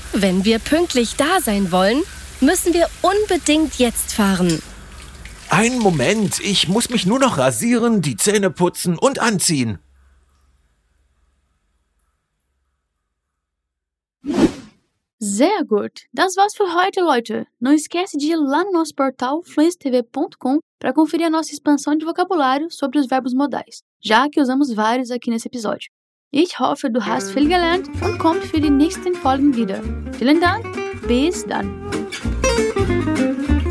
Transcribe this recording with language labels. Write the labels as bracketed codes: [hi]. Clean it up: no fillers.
[de] Wenn wir pünktlich da sein wollen, müssen wir unbedingt jetzt fahren. Einen Moment, ich muss mich nur noch rasieren, die Zähne putzen und anziehen. Sehr gut, das war's für heute, Leute. [pt] Não esquece de ir lá no nosso portal fluencytv.com para conferir a nossa expansão de vocabulário sobre os verbos modais, já que usamos vários aqui nesse episódio. [de] Ich hoffe, du hast viel gelernt und kommt für die nächsten Folgen wieder. Vielen Dank, bis dann. [en] Thank you.